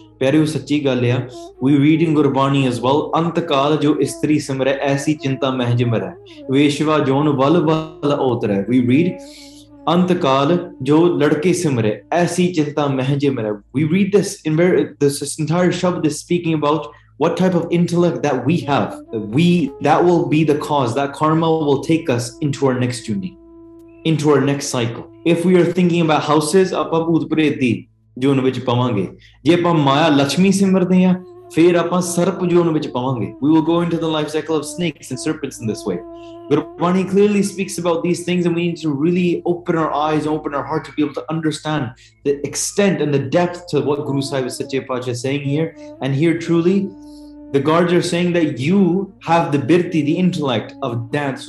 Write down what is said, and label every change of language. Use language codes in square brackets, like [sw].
[pa] ਪਿਆਰੇ, ਉਹ ਸੱਚੀ ਗੱਲ ਆ। [en] we reading Gurbani as well, [pa] ਅੰਤ ਕਾਲ ਜੋ ਇਸਤਰੀ ਸਿਮਰੈ ਐਸੀ ਚਿੰਤਾ ਮਹਿ ਜਿਮਰੈ, ਵੇਸ਼ਵਾ ਜੋਨ ਵੱਲ ਵੱਲ ਔਤਰੈ। [en] we read, [pa] ਅੰਤ ਕਾਲ ਜੋ ਲੜਕੇ ਸਿਮਰੈ ਐਸੀ ਚਿੰਤਾ ਮਹਿ ਜਿਮਰੈ। [en] We read this in this entire shabad is speaking about what type of intellect that we have, that will be the cause, that karma will take us into our next journey, into our next cycle. If we are thinking about houses, [pa] ਆਪਾਂ ਭੂਤ ਪ੍ਰੇਤ ਦੀ ਜੂਨ ਵਿੱਚ ਪਵਾਂਗੇ, ਜੇ ਆਪਾਂ ਮਾਇਆ ਲਕਸ਼ਮੀ ਸਿਮਰਦੇ ਹਾਂ, ਫਿਰ ਆਪਾਂ ਸਰਪ ਜੂਨ ਵਿੱਚ ਪਵਾਂਗੇ. [en] We will go into the life cycle of snakes and serpents in this way. Gurbani clearly speaks about these things, and we need to really open our eyes, open our heart to be able to understand the extent and the depth to what Guru Sahib Sache Pacha is saying here. And here truly, the guards are saying that you have the birti, the intellect of dant.